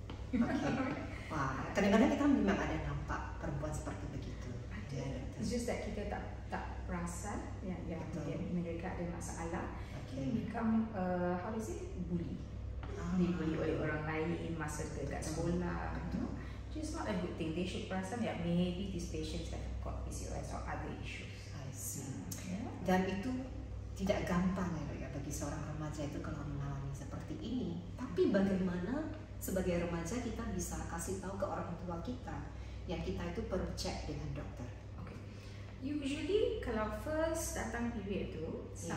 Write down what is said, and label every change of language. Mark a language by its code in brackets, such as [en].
[ms] Okay. Wah, kadang-kadang kita memang ada nampak perempuan seperti begitu. Ada. [en] It's just that [ms] kita tak rasa yang mereka ada masalah. Okay. [en] They become bully. [ms] Dibully oleh orang lain masa dekat sekolah. [en] Which is not a good thing. They should rasa yeah, maybe these patients have got PCOS or other issues. I see. Yeah. [id] Dan itu tidak gampang ya bagi seorang remaja itu kalau mengalami seperti ini. Tapi bagaimana sebagai remaja kita bisa kasih tahu ke orang tua kita yang kita itu perlu cek dengan dokter? [en] Usually [ms] kalau [en] first datang period tu yeah.